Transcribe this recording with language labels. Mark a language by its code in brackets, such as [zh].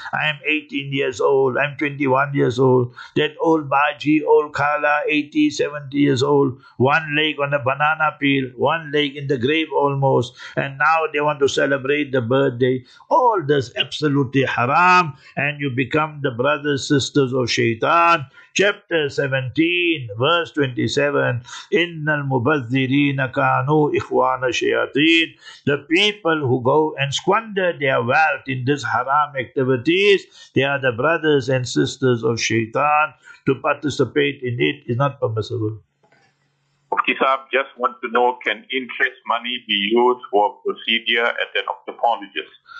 [en] I am 18 years old, I'm 21 years old. That old Baji, old Kala, 80, 70 years old, one leg on a banana peel, one leg in the grave almost, and now they want to celebrate the birthday. All this absolutely haram, and you become the brothers, sisters of Shaitan. Chapter 17, verse 27, [ar] إِنَّ الْمُبَذِّرِينَ كَانُوا إِخْوَانَ الشَّيَاطِينَ. [en] The people who go and squander their wealth in these haram activities, they are the brothers and sisters of Shaitan. To participate in it is not permissible. Mufti Saab, just want to know, can interest money be used for a procedure at an ophthalmologist?